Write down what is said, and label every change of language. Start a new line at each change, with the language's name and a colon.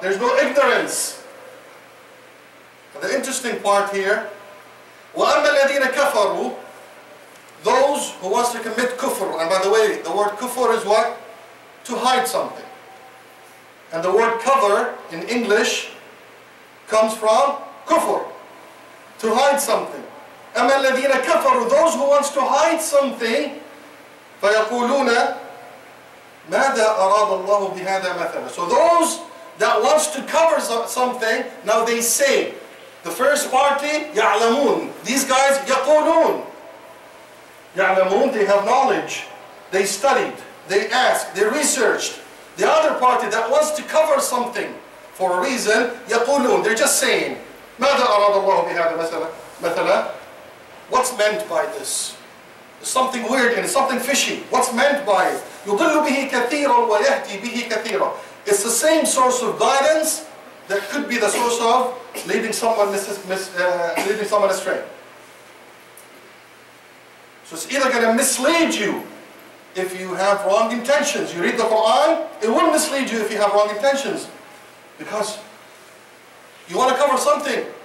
English: There's no ignorance. But the interesting part here,
Arabic: وَأَمَّا الَّذِينَ كَفَرُوا,
English: those who wants to commit kufr, and by the way, the word kufr is what? To hide something. And the word cover in English comes from kufr, to hide something.
Arabic: أَمَا الَّذِينَ كَفَرُوا,
English: those who wants to hide something,
Arabic: فَيَقُولُونَ مَاذَا أَرَادَ اللَّهُ بِهَذَا مَثَلًا.
English: So those that wants to cover something, now they say, the first party, يَعْلَمُونَ. These guys, يَقُولُونَ. يَعْلَمُونَ, they have knowledge. They studied, they asked, they researched. The other party that wants to cover something, for a reason, يقولون, they're just saying,
Arabic: ماذا أراد الله بهذا مثلا؟
English: What's meant by this? something weird and something fishy. What's meant by it?
Arabic: يُضِلُّ بِهِ كَثِيرًا وَيَهْدِي بِهِ كَثِيرًا.
English: It's the same source of guidance that could be the source of leading someone leading someone astray. So it's either going to mislead you if you have wrong intentions. You read the Quran, it will mislead you if you have wrong intentions. Because you want to cover something.